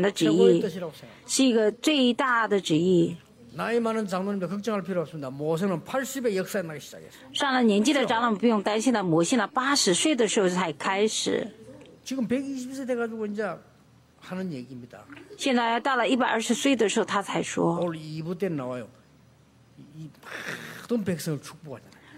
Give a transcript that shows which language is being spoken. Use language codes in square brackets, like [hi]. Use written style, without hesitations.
[zh] 我认为各位的产业是要做世界福音化，这是神的旨意，是一个最大的旨意。 [ko] 나이 많은 장로님도 걱정할 필요 없습니다. 모세는 80에 역사에 나기 시작했습니다. [zh] 上了年纪的长老不用担心了，摩西呢80岁的时候才开始。 [ko] 지금 120세 돼 가지고 이제 하는 얘기입니다. [zh] 现在到了120岁的时候他才说。 [ko] 오늘 2부 때 나와요. 이 모든 백성을 축복하잖아요.